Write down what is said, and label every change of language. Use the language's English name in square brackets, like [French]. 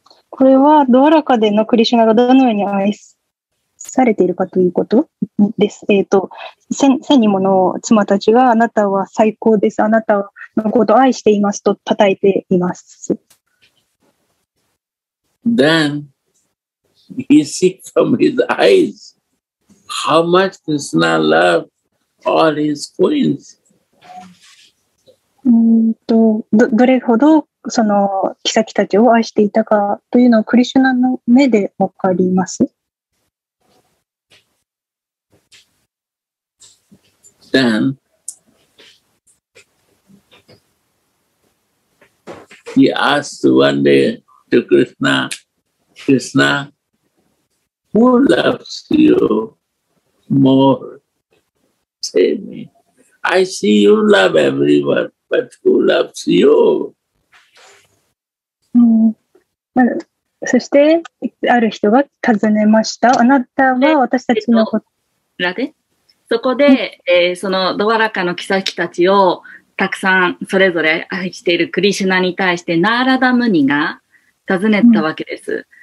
[Japanese] これはドワラカでのクリシュナがどのように愛すされているかということです。千人もの妻たちがあなたは最高です。あなたのことを愛していますと称えています。 [English] Then he sees from his eyes how much Krishna loves all his queens. [Japanese] どれほどその妃たちを愛していたかというのをクリシュナの目でわかります。 [English] Then he asked one day to Krishna, Krishna, who loves you more? Say me. I see you love everyone, but who loves you? [Japanese] そしてある人が尋ねました。あなたは私たちのこと。そこで、そのドワラカの妃たちをたくさんそれぞれ愛しているクリシュナに対してナーラダムニが尋ねたわけです。